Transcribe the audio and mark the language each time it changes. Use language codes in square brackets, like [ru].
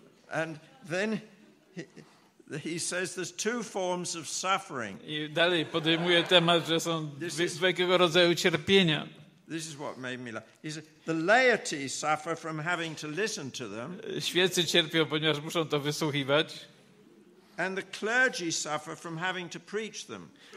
[en] And then he says there's two forms of suffering. [pl] I dalej podejmuje temat, że są dwojakiego rodzaju cierpienia. [en] This is what made me laugh. He said, the laity suffer from having to listen to them. [pl] Świecy cierpią, ponieważ muszą to wysłuchiwać. [en] And the clergy suffer from having to preach them.